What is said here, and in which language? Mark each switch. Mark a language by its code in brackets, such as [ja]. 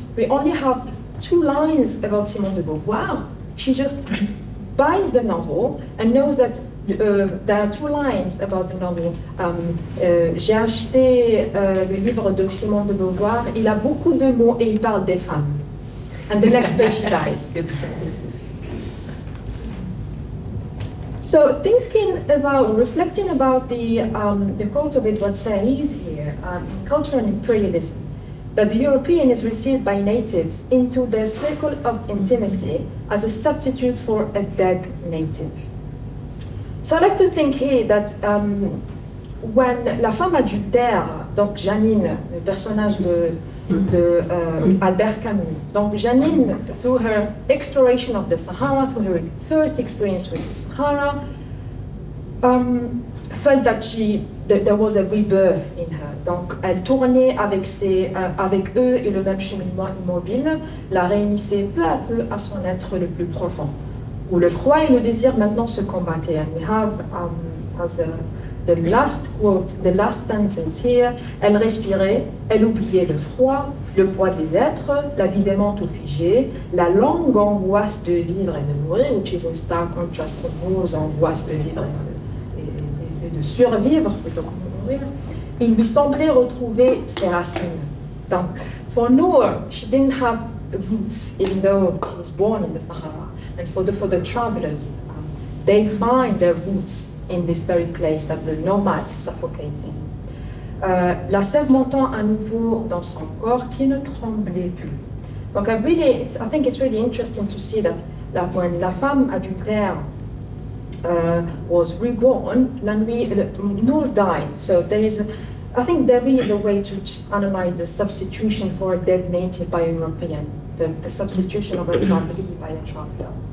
[en] We only have two lines about Simone de Beauvoir. She just buys the novel and knows that there are two lines about the novel. [fr] J'ai acheté le livre de Simone de Beauvoir. Il a beaucoup de mots et il parle des femmes. [en] And the next page she dies. So thinking about, reflecting about the quote of Edward Said here, cultural imperialism, that the European is received by natives into their circle of intimacy as a substitute for a dead native. So I like to think here that when La Femme Adultère, [fr] donc Janine, le personnage de Albert Camus, donc Janine, [en] through her exploration of the Sahara, through her first experience with the Sahara, felt that she, that there was a rebirth in her. [fr] Donc elle tournait avec ses, avec eux et le même cheminement immobile, la réunissait peu à peu à son être le plus profond, où le froid et le désir maintenant se combattaient. [en] And we have, as a, the last quote, the last sentence here, [fr] elle respirait, elle oubliait le froid, le poids des êtres, la vie dément ou figée, la longue angoisse de vivre et de mourir, [en] which is in stark contrast to those [fr] angoisses de vivre et de survivre plutôt que de mourir. Il lui semblait retrouver ses racines. [en] Donc, for Noor, she didn't have roots, even though she was born in the Sahara. And for the travelers, they find their roots in this very place that the nomads suffocating. [fr] La sève montant à nouveau dans son corps qui ne tremblait plus. [en] Donc, I think it's really interesting to see that, that when la femme adultère was reborn, [fr] la nuit, [en] Noor died. So there is, I think there is a way to just analyze the substitution for a dead native by a European, the substitution of a family by a traveler.